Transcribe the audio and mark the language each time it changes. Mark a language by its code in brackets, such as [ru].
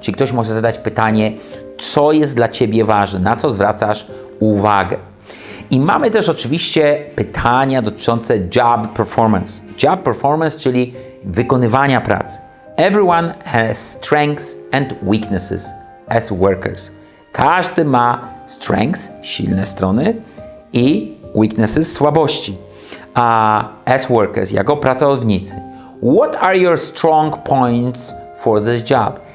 [pl] Czyli ktoś może zadać pytanie, co jest dla Ciebie ważne, na co zwracasz uwagę. I mamy też oczywiście pytania dotyczące job performance. Job performance, czyli wykonywania pracy. [en] Everyone has strengths and weaknesses as workers. [pl] Każdy ma strengths, silne strony, i weaknesses, słabości. [en] As workers, [pl] jako pracownicy. [en] What are your strong points for this job?